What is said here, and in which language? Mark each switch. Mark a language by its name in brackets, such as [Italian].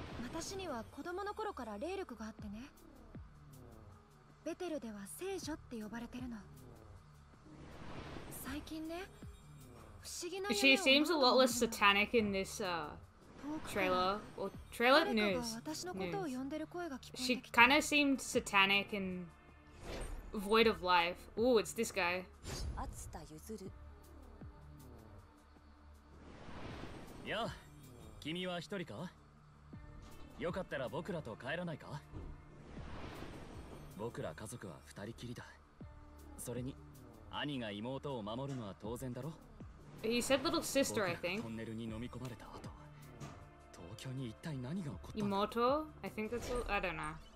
[Japanese] 私には子供の頃から霊力があってね。ベテルでは聖女って呼ばれてるの。最近ね、不思議な夢を見た。 [English] She seems a lot less satanic in this trailer or trailer news. [Japanese] 誰かが私のことを呼んでる声が聞こえてきた。 [English] She kind of seemed satanic and void of life. Ooh, it's this guy. アツタユズル。 [Japanese] いや、君は一人か？よかったら僕らと帰らないか。僕ら家族は二人きりだ。それに兄が妹を守るのは当然だろ。 [English] He said little sister, I think. [Japanese] トンネルに飲み込まれた後、東京に一体何が起こったの。 [English] 妹？ I think that's all. I don't know.